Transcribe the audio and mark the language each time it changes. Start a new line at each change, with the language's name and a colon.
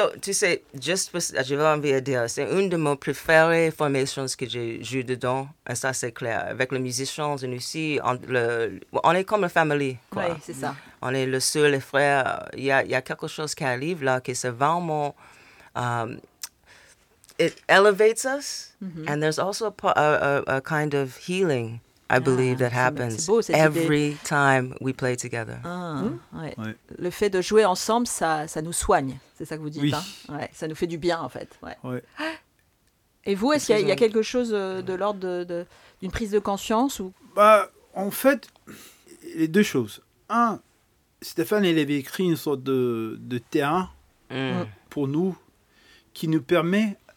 French: Tu sais, j'avais envie de dire, c'est une de mes préférées formations que j'ai jouées dedans, et ça c'est clair. Avec les musiciens, nous aussi, on est comme une famille. Oui, c'est ça. On est le seul, les frères. Il y a quelque chose qui arrive là, que c'est vraiment.
English: It elevates us, mm-hmm. and there's also a kind of healing, I believe, that happens time we play together.
French: Le fait de jouer ensemble, ça nous soigne, c'est ça que vous dites, hein? Ouais, ça nous fait du bien, en fait. Ouais. Et vous, est-ce qu'il y a quelque chose de l'ordre d'une prise de conscience ou... Bah, en fait, les deux choses. Un, Stéphane, il avait écrit une sorte de terrain pour nous qui nous permet...